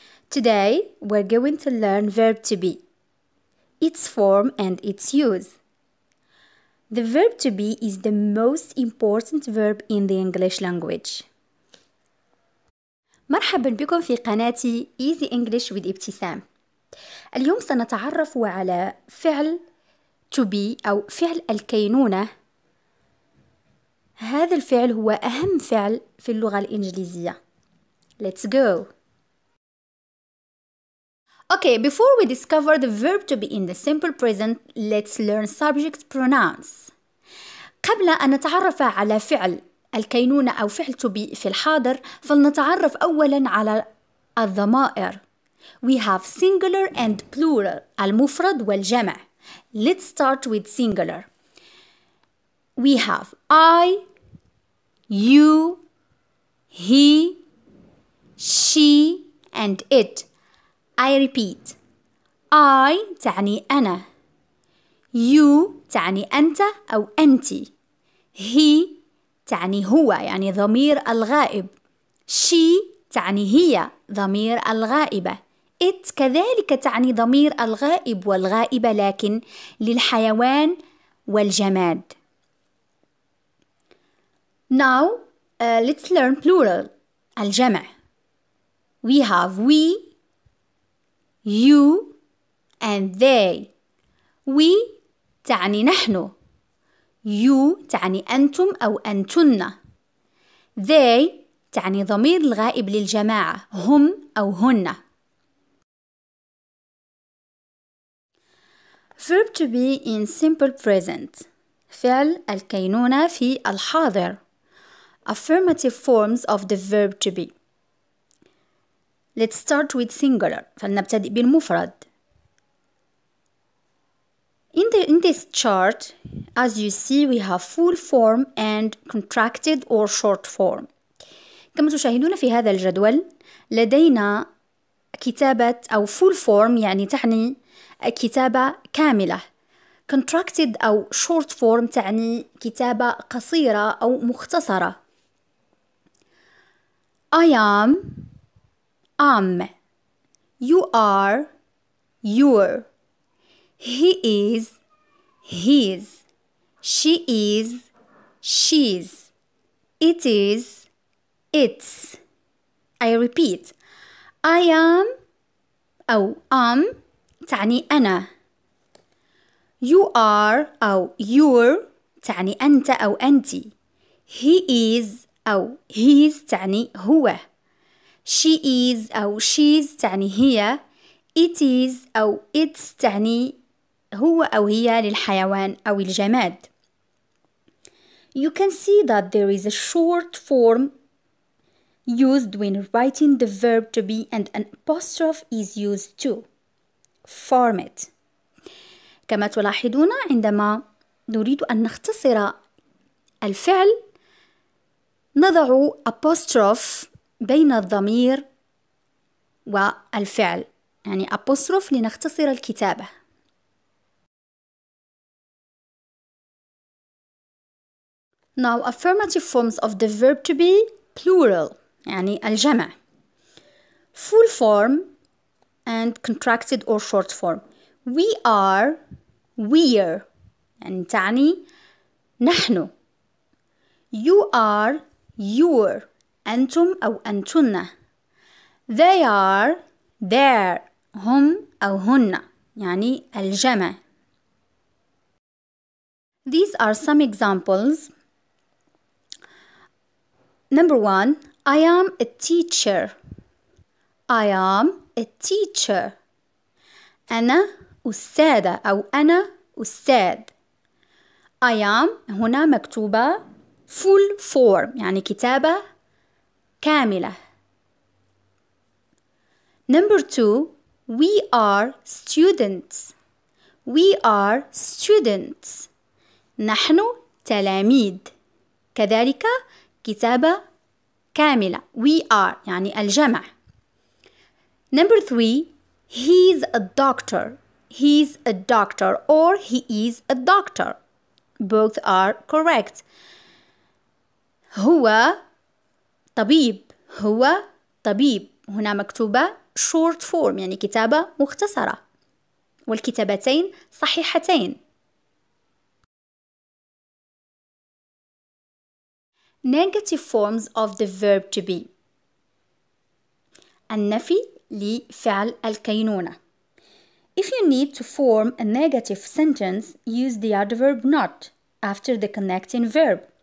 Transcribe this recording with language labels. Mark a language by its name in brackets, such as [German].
[English] Today we're going to learn verb to be, its form and its use. The verb to be is the most important verb in the English language. [Arabic] مرحبا بكم في قناتي Easy English with Ibtisam. اليوم سنتعرف على فعل to be أو فعل الكينونة. هذا الفعل هو أهم فعل في اللغة الإنجليزية. [English] Let's go. Okay, before we discover the verb to be in the simple present, let's learn subject pronouns. [Arabic] قبل أن نتعرف على فعل الكينونة أو فعل to be في الحاضر، فلنتعرف أولا على الضمائر. [English] We have singular and plural, [Arabic] المفرد والجمع. [English] Let's start with singular. We have I, you, he, she, and it. I repeat. I [Arabic] تعني أنا. You تعني أنت أو أنتي. He تعني هو يعني ضمير الغائب. She تعني هي ضمير الغائبة. It كذلك تعني ضمير الغائب والغائبة لكن للحيوان والجماد. [English] Now, let's learn plural, الجمع. We have we, you, and they. [Arabic] We تعني نحن. You تعني أنتم أو أنتن. They تعني ضمير الغائب للجماعة, هم أو هن. [English] Verb to be in simple present. [Arabic] فعل الكينونة في الحاضر. [English] Affirmative forms of the verb to be. Let's start with singular. [Arabic] فلنبتدئ بالمفرد. [English] In this chart, as you see, we have full form and contracted or short form. [Arabic] كما تشاهدون في هذا الجدول، لدينا كتابة أو [English] full form [Arabic] يعني تعني كتابة كاملة. Contracted أو [English] short form [Arabic] تعني كتابة قصيرة أو مختصرة. [English] I am, I'm. You are, you're. He is, he's. She is, she's. It is, it's. I repeat. I am, [Arabic] أو [English] I'm, [Arabic] تعني أنا. [English] You are, [Arabic] أو [English] you're, [Arabic] تعني أنت أو أنتي. [English] He is, [Arabic] أو [English] he's [Arabic] تعني هو. [English] She is [Arabic] أو [English] she's [Arabic] تعني هي. [English] It is [Arabic] أو [English] it's [Arabic] تعني هو أو هي للحيوان أو الجماد. [English] You can see that there is a short form used when writing the verb to be and an apostrophe is used too. Form it. [Arabic] كما تلاحظون عندما نريد أن نختصر الفعل نضع apostrophe بين الضمير والفعل يعني apostrophe لنختصر الكتابة. [English] Now affirmative forms of the verb to be plural [Arabic] يعني الجمع. [English] Full form and contracted or short form. We are, we're [Arabic] يعني تعني نحن. [English] You are, your [Arabic] أنتم أو أنتن. [English] They are, their [Arabic] هم أو هن يعني الجمع. [English] These are some examples. Number one, I am a teacher. I am a teacher. [Arabic] أنا أستاذة أو أنا أستاذ. [English] I am [Arabic] هنا مكتوبة [English] full form [Arabic] يعني كتابة كاملة. [English] Number two, we are students. We are students. [Arabic] نحن تلاميذ. كذلك كتابة كاملة. [English] We are [Arabic] يعني الجمع. [English] Number three, he's a doctor. He's a doctor or he is a doctor. Both are correct. [Arabic] هو طبيب. هو طبيب هنا مكتوبة [English] short form [Arabic] يعني كتابة مختصرة، والكتابتين صحيحتين. [English] negative forms of the verb to be، [Arabic] النفي لفعل الكينونة. [English] If you need to form a negative sentence, use the adverb not after the connecting verb.